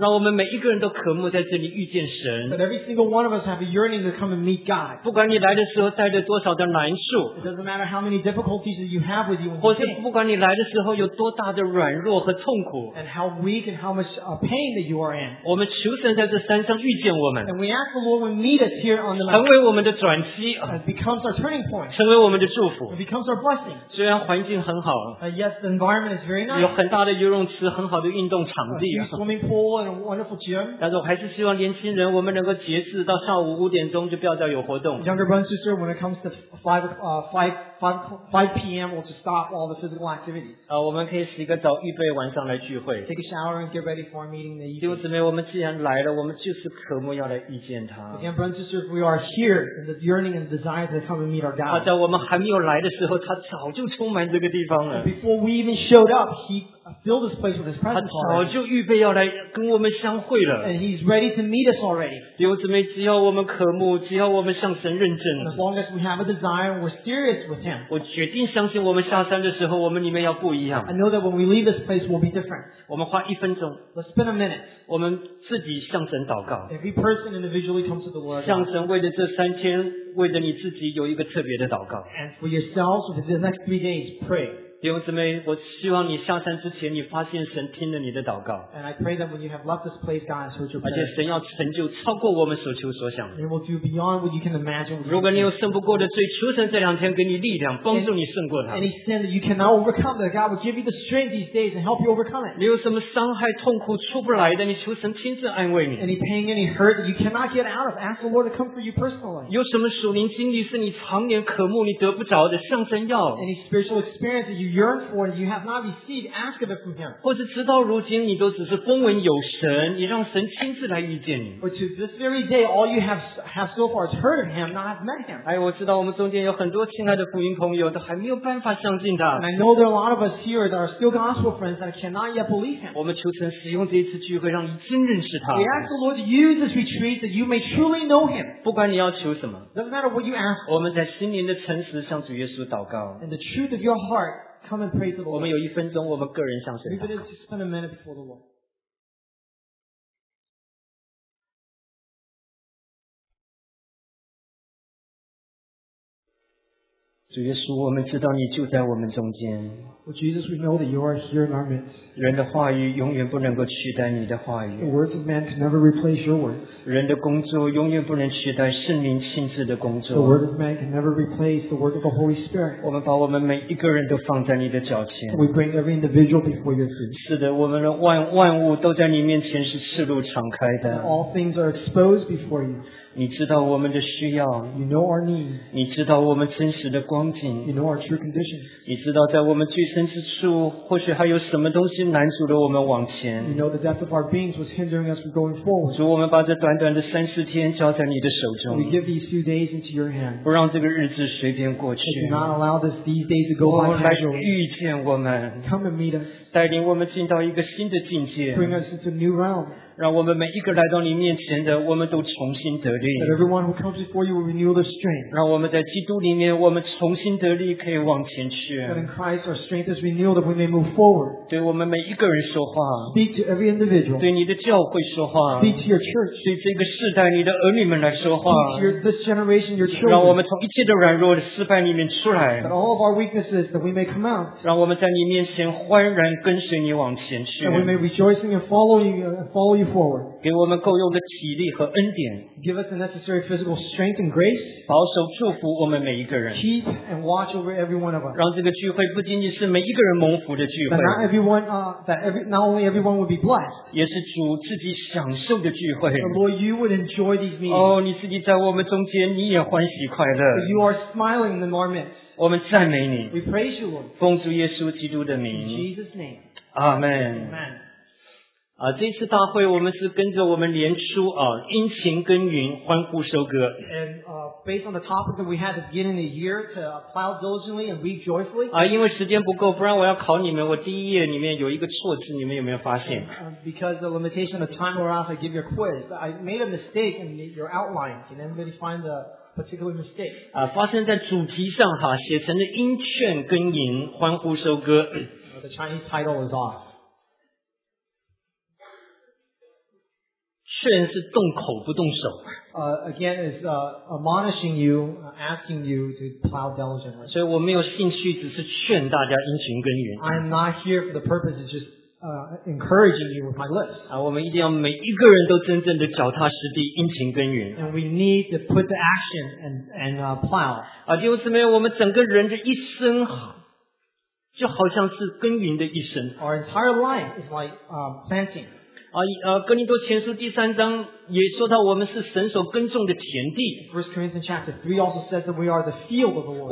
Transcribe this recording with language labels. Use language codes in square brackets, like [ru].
[zh] 让我们每一个人都渴慕在这里遇见神。 [en] But every single one of us have a yearning to come and meet God. [zh] 不管你来的时候带着多少的难处。 [en] It doesn't matter how many difficulties you have with you. [zh] 或是不管你来的时候有多大的软弱和痛苦。 [en] And how weak and how much pain that you are in. [zh] 我们求神在这山上遇见我们。 [en] And we ask the Lord to meet us here on the mountain. [zh] 成为我们的转机。 [en] And becomes our turning point. [zh] 成为我们的祝福。 [en] It becomes our blessing. [zh] 虽然环境很好。 [en] Yes, the environment is very nice. [zh] 有很大的游泳池，很好的运动场地。 [en] Swimming pool and a wonderful gym. [zh] 但是我还是希望年轻人，我们能够节制到上午五点钟就不要再有活动。 [en] Younger brothers and sisters, when it comes to five p.m., we'll just stop all the physical activity. [zh] 我们可以洗个澡，预备晚上来聚会。 [en] Take a shower and get ready for our meeting in the evening. [zh] 弟兄姊妹，我们既然来了，我们就是渴慕要来遇见他。 [en] Again, brothers and sisters, we are here in the yearning and desire to come and meet our God. [zh] 在我们还没有来的时候，他早就充满这个地方了。 [en] Before we even showed up, he fill this place with his presence. [zh] 他早就预备要来跟我们相会了。 [en] And he's ready to meet us already. [zh] 弟兄姊妹, 只要我们渴慕, 只要我们向神认证, [en] as long as we have a desire and we're serious with him. [zh] 我决定相信我们下山的时候, 我们里面要不一样。 [en] I know that when we leave this place, we'll be different. [zh] 我们花一分钟, [en] let's spend a minute. [zh] 我们自己向神祷告, [en] every person individually comes to the Lord. [zh] 向神为了这三天, 为了你自己有一个特别的祷告。 [en] And for yourselves, for the next 3 days, pray. [zh] 弟兄姊妹, 我希望你下山之前, 你发现神听了你的祷告。 [en] And I pray that when you have left this place, God has heard your prayer. [zh] 而且神要成就超过我们所求所想。 [en] And will do beyond what you can imagine. [zh] 如果你有胜不过的罪, 求神这两天给你力量, 帮助你胜过它。 [en] And he said that you cannot overcome, that God will give you the strength these days and help you overcome it. [zh] 你有什么伤害, 痛苦, 出不来的, 你求神亲自安慰你。 [en] Any pain, any hurt that you cannot get out of, ask the Lord to comfort you personally. [zh] 有什么属灵经历, 是你常年渴慕, 你得不着的, 向神要。 [en] Any spiritual experience that you yearn for and you have not received, ask of it from him. [zh] 或是直到如今, 你都只是恭闻有神, 你让神亲自来遇见你。 [en] But to this very day, all you have so far is heard of him, not have met him. [zh] 哎, 我知道我们中间有很多亲爱的福音朋友, 都还没有办法相信他。 [en] And I know there are a lot of us here that are still gospel friends that cannot yet believe him. [zh] 我们求神使用这一次聚会, 让你真认识他。 [en] We ask the Lord to use this retreat that you may truly know him. [zh] 不管你要求什么, [en] doesn't matter what you ask. [zh] 我们在心灵的诚实向主耶稣祷告。 [en] In the truth of your heart, come and pray to the Lord. [zh] 我们有一分钟, 我们个人向神祷告。 [en] We're going to spend a minute before the Lord. Lord Jesus, we know that you are here in our midst. [zh] 人的话语永远不能够取代你的话语。 [en] The words of man can never replace your words. [zh] 人的工作永远不能取代圣灵亲自的工作。 [en] The word of man can never replace the work of the Holy Spirit. [zh] 我们把我们每一个人都放在你的脚前。 [en] We bring every individual before your feet. [zh] 是的, 我们的万物都在你面前是赤露敞开的。 [en] All things are exposed before you. [zh] 你知道我们的需要, [en] you know our need. [zh] 你知道我们真实的光景, [en] you know our true condition. [zh] 你知道在我们具身之处, 或许还有什么东西拦阻了我们往前。 [en] You know the depth of our beings was hindering us from going forward. [zh] 主，我们把这短短的三四天交在你的手中。 [en] We give these few days into your hand. [zh] 不让这个日子随便过去。 [en] And do not allow this, these days to go by casually. [zh] 我们来遇见我们。 [en] Come and meet us. [zh] 带领我们进到一个新的境界。 [en] Bring us into a new realm. [zh] 让我们每一个来到你面前的, 我们都重新得力。 [en] That everyone who comes before you will renew their strength. [zh] 让我们在基督里面, 我们重新得力, 可以往前去。 [en] That in Christ our strength is renewed, that we may move forward. [zh] 对我们每一个人说话。 [en] Speak to every individual. [zh] 对你的教会说话。 [en] Speak to your church. [zh] 对这个世代, 你的儿女们来说话。 [en] Speak to your, this generation, your children. [zh] 让我们从一切的软弱, 失败里面出来。 [en] That all of our weaknesses, that we may come out. [zh] 让我们在你面前欢然跟随你往前去。 [en] That we may rejoice in you, follow you forward. [zh] 给我们够用的体力和恩典。 [en] Give us the necessary physical strength and grace. [zh] 保守祝福我们每一个人。 [en] Keep and watch over every one of us. [zh] 让这个聚会不仅仅是每一个人蒙福的聚会。 [en] That not only everyone would be blessed. [zh] 也是主自己享受的聚会。 [en] Lord, you would enjoy these meetings. [zh] 哦,你自己在我们中间, 你也欢喜快乐。 [en] You are smiling in the moment. [zh] 我们赞美你。 [en] We praise you, Lord. [zh] 奉主耶稣基督的名。 [en] In Jesus' name. Amen. Amen. [zh] 啊, 这次大会, 我们是跟着我们年初, 啊, 殷勤耕耘, 欢呼收割。 [en] And based on the topic that we had at the beginning of the year, to plow diligently and reap joyfully. [zh] 啊, 因为时间不够, 不然我要考你们, 我第一页里面有一个错字, 你们有没有发现? [en] Because the limitation of time we're off, I give you a quiz. I made a mistake in your outline. Can anybody find the particular mistake? [zh] 啊, 发生在主题上, 啊, 写成了殷勤耕耘, 欢呼收割。 [en] The Chinese title is off. [zh] 劝是动口不动手。 [en] Again, it's admonishing you, asking you to plow diligently. [zh] 所以我没有兴趣，只是劝大家殷勤耕耘。 [en] I'm not here for the purpose of just encouraging you with my lips. [zh] 我们一定要每一个人都真正的脚踏实地殷勤耕耘。 [en] And we need to put the action and plow. [zh] 弟兄姊妹，我们整个人的一生。就好像是耕耘的一生。 [en] Our entire life is like planting. [zh] 哥林多前书第三章也说到我们是神所耕种的田地。 [en] First Corinthians chapter 3 also says that we are the field of the Lord.